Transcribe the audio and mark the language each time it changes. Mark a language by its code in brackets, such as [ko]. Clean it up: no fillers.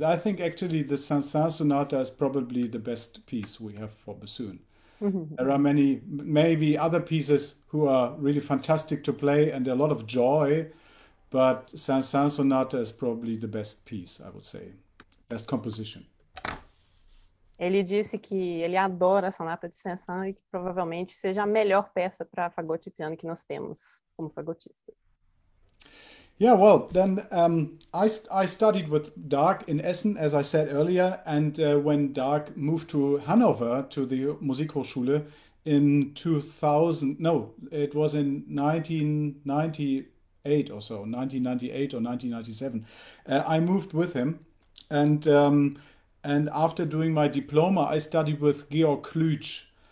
[en] I think actually the Saint-Saëns sonata is probably the best piece we have for bassoon. There are many, maybe other pieces who are really fantastic to play and a lot of joy, but Saint-Saëns sonata is probably the best piece, I would say, best composition. [pt] Ele disse que ele adora a sonata de Saint-Saëns e que provavelmente seja a melhor peça para fagote e piano que nós temos como fagotistas. [en] Yeah, well, then I studied with Dag in Essen, as I said earlier, and when Dag moved to Hanover to the Musikhochschule in 1997, I moved with him, and after doing my diploma, I studied with Georg Klütsch